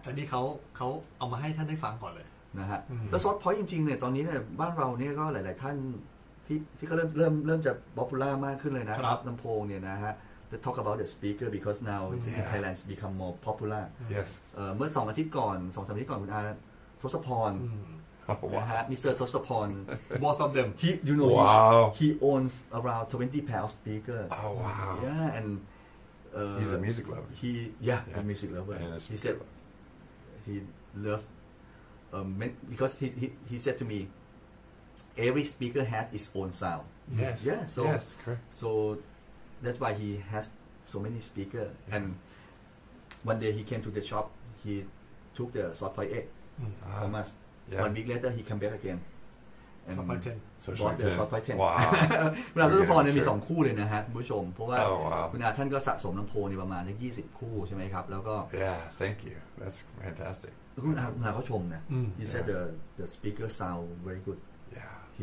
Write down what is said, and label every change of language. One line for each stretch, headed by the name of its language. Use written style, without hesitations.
Thai: ตอนนี้เขาเอามาให้ท่านได้ฟังก่อนเลย นะฮะแล้วซอฟต์พอยต์จริงๆเนี่ยตอนนี้เนี่ยบ้านเราเนี่ยก็หลายๆท่านที่ก็เริ่มจะป๊อปปูล่ามากขึ้นเลยนะ ครับ ลำโพงเนี่ยนะฮะ
English: the talk about the speaker because now in Thailand it's become more popular yes
Thai: เมื่อ2อาทิตย์ก่อน2สัปดาห์ก่อนคุณอาทศพร นะฮะ มิสเตอร์ทศพร
English: both of them he you know wow. he owns around 20 pair of speaker oh wow yeah and he's a music lover he yeah a music lover and he said he loved because he said to me every speaker has its own sound yes correct so that's why he has so many speaker yeah. and one day he came to the shop he took the Sotpoi 8 from us yeah. one week later he came back again and Sotpoi 10 bought the Sotpoi 10 wow
Thai: เวลาซื้อพอเนี่ยมี2คู่เลยนะฮะคุณผู้ชมเพราะว่า คุณอาท่านก็สะสมลำโพงในประมาณ20คู่ใช่ไหมครับแล้วก็
English: yeah thank you that's fantastic
Thai: คุณอาเขาชมนะ
English: he said the speaker sound very good yeah